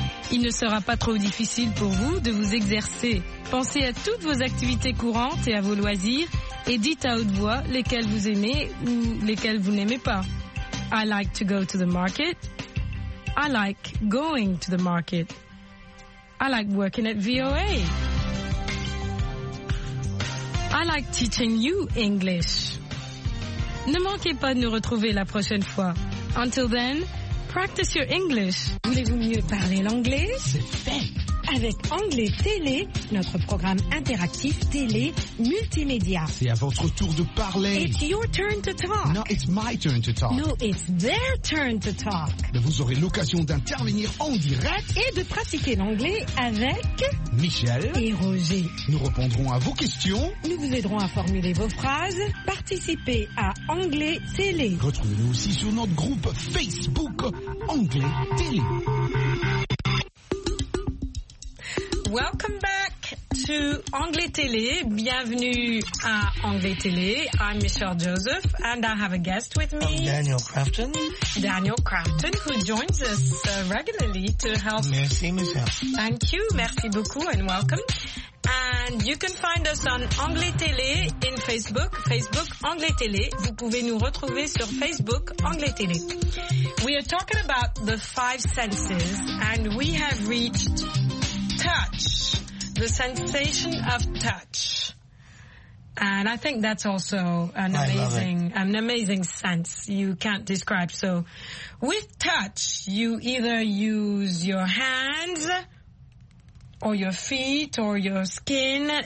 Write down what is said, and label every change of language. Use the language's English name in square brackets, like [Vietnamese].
[French] Il ne sera pas trop difficile pour vous de vous exercer. Pensez à toutes vos activités courantes et à vos loisirs et dites à haute voix lesquels vous aimez ou lesquels vous n'aimez pas. [English] I like to go to the market. I like going to the market. I like working at VOA. I like teaching you English. [French] Ne manquez pas de nous retrouver la prochaine fois. [English] Until then, practice your English. [French] Voulez-vous mieux parler l'anglais? Avec Anglais Télé, notre programme interactif télé multimédia. C'est à votre tour de parler. [English] It's your turn to talk. No, it's my turn to talk. No, it's their turn to talk. [French] Mais vous aurez l'occasion d'intervenir en direct et de pratiquer l'anglais avec Michel et Roger. Nous répondrons à vos questions. Nous vous aiderons à formuler vos phrases. Participez à Anglais Télé. Retrouvez-nous aussi sur notre groupe Facebook Anglais Télé. [English] Welcome back to Anglais Télé. [French] Bienvenue à Anglais Télé. [English] I'm Michelle Joseph and I have a guest with me. Daniel Crafton. Daniel Crafton, who joins us regularly to help. [French] Merci, Michelle. [English] Thank you. [French] Merci beaucoup [English] and welcome. And you can find us on Anglais Télé in Facebook, Facebook Anglais Télé. [French] Vous pouvez nous retrouver sur Facebook Anglais Télé. [English] We are talking about the five senses and we have reached touch, the sensation of touch. And I think that's also an amazing sense you can't describe. So with touch, you either use your hands or your feet or your skin.